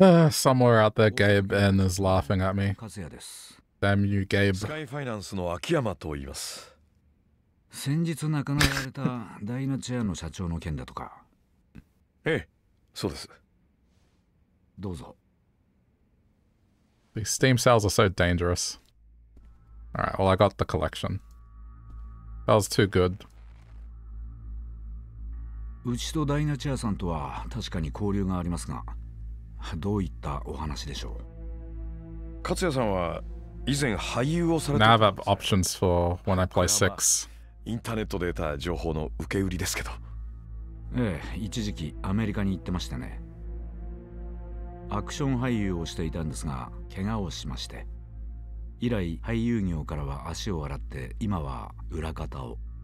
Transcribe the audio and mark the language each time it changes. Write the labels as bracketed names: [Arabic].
[English] Somewhere out there, Gabe N is laughing at me. Damn you, Gabe. [Japanese] Sky Finance の秋山と言います。先日亡くなられたダイナチアの社長の件だとか。ええ、そうです。どうぞ。 [English] These steam cells are so dangerous. Alright, well, I got the collection. That was too good. [Japanese] うちとダイナチアさんとは確かに交流がありますが、どういったお話でしょう。勝也さんは以前俳優をされて。 [English] Now I have options for when I play six. [Japanese] インターネットで得た情報の受け売りですけど。ええ、一時期アメリカに行ってましたね。アクション俳優をしていたんですが、怪我をしまして。以来俳優業からは足を洗って、今は裏方を。